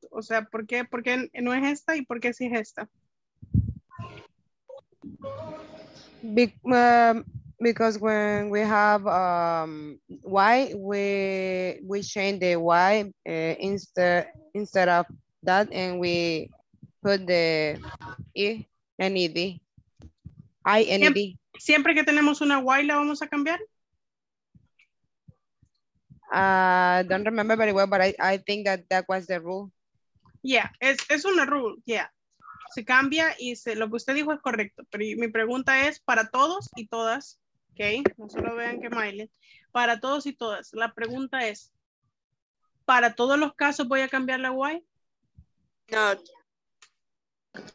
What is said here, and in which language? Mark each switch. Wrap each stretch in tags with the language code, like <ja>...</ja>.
<es>O sea, ¿por qué no es esta y por qué sí es esta?</es> <en>Because when we have why we change the why instead of that and we put the I-N-E-D.</en> <es>Siempre que tenemos una why la vamos a cambiar.</es> <en>I don't remember very well, but I think that was the rule.</en> <es>Yeah, es una rule, yeah. Se cambia y lo que usted dijo es correcto, pero mi pregunta es para todos y todas, ok, no solo vean que Miley, para todos y todas, la pregunta es, ¿para todos los casos voy a cambiar la why? No.</es>